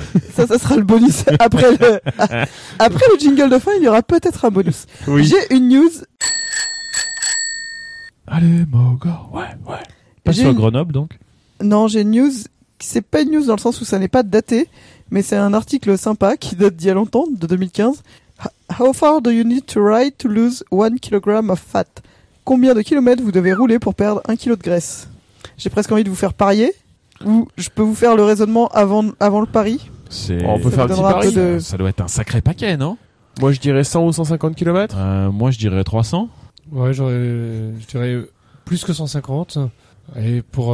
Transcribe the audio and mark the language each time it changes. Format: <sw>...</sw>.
<fr>Ça sera le bonus après le jingle de fin. Il y aura peut-être un bonus. Oui. J'ai une news. Allez, Mogor. Ouais. Pas sur Grenoble donc. Non, j'ai une news. C'est pas une news dans le sens où ça n'est pas daté, mais c'est un article sympa qui date d'il y a longtemps, de 2015.</fr> <en>How far do you need to ride to lose 1 kilogram of fat?</en> <fr>Combien de kilomètres vous devez rouler pour perdre 1 kilo de graisse? J'ai presque envie de vous faire parier. Ou je peux vous faire le raisonnement avant le pari. On peut faire un petit pari. Ça doit être un sacré paquet, non? Moi, je dirais 100 ou 150 kilomètres. Moi, je dirais 300. Ouais, je dirais plus que 150. Et pour...</fr>